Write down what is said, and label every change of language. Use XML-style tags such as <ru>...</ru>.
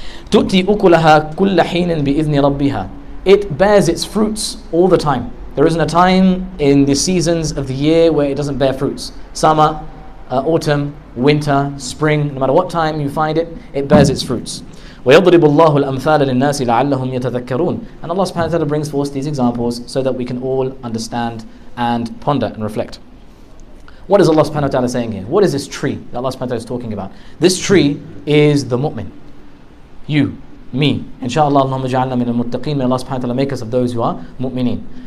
<ar>تؤتي أكلها كل حين بإذن ربها.</ar> <en>It bears its fruits all the time. There isn't a time in the seasons of the year where it doesn't bear fruits. Summer, autumn, winter, spring, no matter what time you find it, it bears its fruits.</en> <ar>ويضرب الله الأمثال للناس لعلهم يتذكرون.</ar> <en>And Allah subhanahu wa ta'ala brings forth these examples so that we can all understand and ponder and reflect. What is Allah subhanahu wa ta'ala saying here? What is this tree that Allah subhanahu wa ta'ala is talking about? This tree is the mu'min. You, me. Inshallah,</en> <ar>Allahumma ja'alna min al-muttaqeen.</ar> <en>May Allah subhanahu wa ta'ala make us of those who are mu'mineen.</en>